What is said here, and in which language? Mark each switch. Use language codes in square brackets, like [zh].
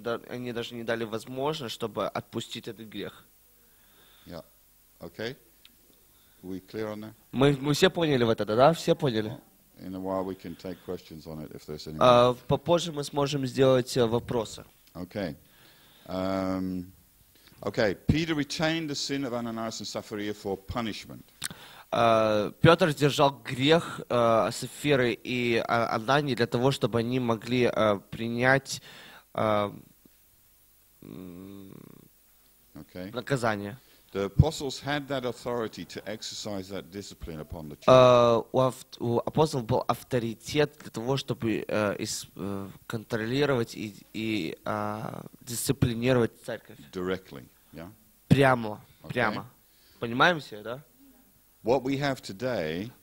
[ru] Они даже не дали возможность, чтобы отпустить этот грех. [en] Yeah. Okay. We clear on that? [ru] Мы все поняли вот это, да? Все поняли? [en] In a while we can take questions on it if there's any. [ru] Попозже мы сможем сделать вопросы. [en] Okay. Okay. Peter retained the sin of Ananias and Sapphira for punishment. [ru] Петр сдержал грех Сапфиры и Анании для того, чтобы они могли принять наказание. [en] The apostles had that authority to exercise that discipline upon the church. [ru] У апостолов был авторитет для того, чтобы контролировать и дисциплинировать церковь. [en] Directly, yeah. [ru] Прямо, okay. Прямо. Понимаем все, да? [en] What we have today.